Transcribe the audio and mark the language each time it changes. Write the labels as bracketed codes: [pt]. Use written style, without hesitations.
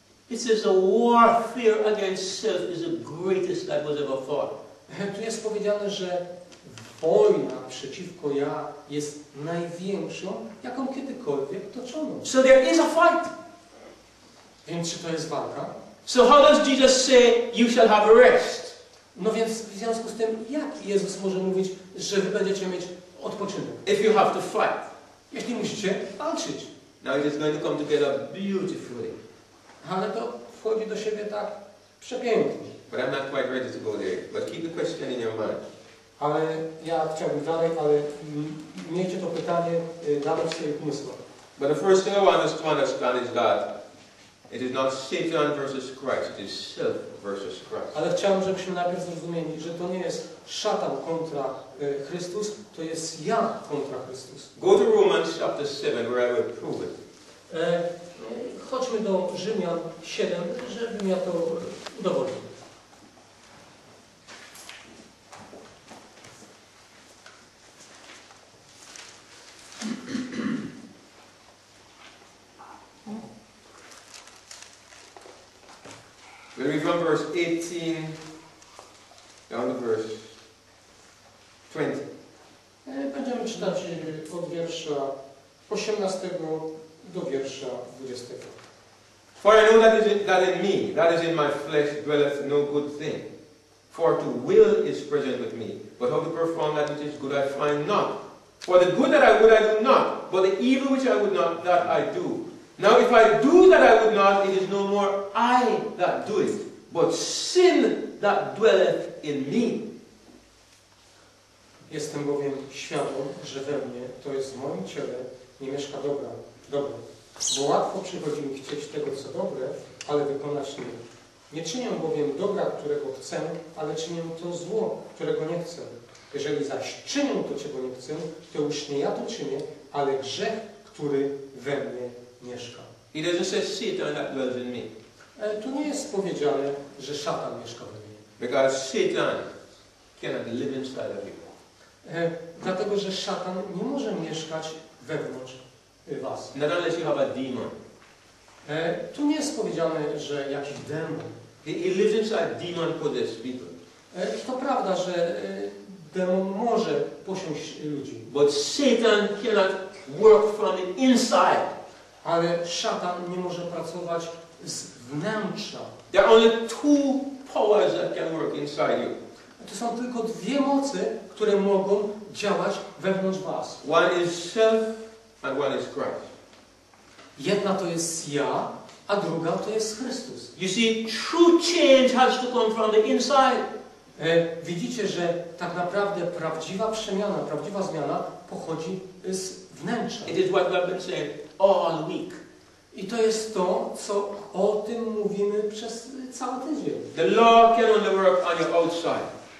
[en] It says a warfare against self is the greatest that was ever fought. [pl] Tu jest powiedziane, że wojna przeciwko ja jest największą, jaką kiedykolwiek toczono. [en] So there is a fight. [pl] Więc czy to jest walka? [en] So how does Jesus say you shall have rest? [pl] No więc w związku z tym, jak Jezus może mówić, że wy będziecie mieć odpoczynek? [en] If you have to fight. [pl] Jeśli musicie walczyć. [en] Now it is going to come together beautifully. [pl] Ale to wchodzi do siebie tak przepięknie. [en] But I'm not quite ready to go there. But keep the question in your mind. [pl] Ale ja chciałbym dalej, ale miejcie to pytanie dalej w swoich umysłach. [en] But the first thing I want us to understand is that it is not Satan versus Christ, it is self versus Christ. [pl] Ale chciałbym, żebyśmy najpierw zrozumieli, że to nie jest szatan kontra Chrystus, to jest ja kontra Chrystus. [en] Go to Romans chapter 7, where I will prove it. [pl] Chodźmy do Rzymian 7, żebym ja to udowodnił. [en] We'll read from verse 18 down to verse 20. [pl] Będziemy czytać od wiersza 18 do wiersza 20. [en] For I know that in me, that is in my flesh, dwelleth no good thing. For to will is present with me, but how to perform that which is good I find not. For the good that I would I do not, but the evil which I would not, that I do. Now if I do that I would not, it is no more I that do it, but sin that dwelleth in me. [pl] Jestem bowiem świadom, że we mnie, to jest w moim ciele, nie mieszka dobra. Bo łatwo przychodzi mi chcieć tego, co dobre, ale wykonać nie. Nie czynię bowiem dobra, którego chcę, ale czynię to zło, którego nie chcę. Jeżeli zaś czynię to, czego nie chcę, to już nie ja to czynię, ale grzech, który we mnie mieszka. [en] It doesn't say Satan that dwells in me. [pl] Tu nie jest powiedziane, że szatan mieszka we mnie. [en] Because Satan cannot live inside of you. [pl] Dlatego, że szatan nie może mieszkać wewnątrz was. [en] Not unless you have a demon. [pl] Tu nie jest powiedziane, że jakiś demon. [en] He lives inside demon possessed people. [pl] To prawda, że demon może posiąść ludzi. [en] But Satan cannot work from the inside. [pl] Ale szatan nie może pracować z wnętrza. [en] There are only two powers that can work inside you. [pl] To są tylko dwie moce, które mogą działać wewnątrz was. [en] One is self and one is Christ. [pl] Jedna to jest ja, a druga to jest Chrystus. [en] You see, true change has to come from the inside. [pl] Widzicie, że tak naprawdę prawdziwa przemiana, prawdziwa zmiana pochodzi z wnętrza. [en] It is what we have been saying all week. [pl] I to jest to, co o tym mówimy przez cały tydzień. [en] The law can only work on your outside.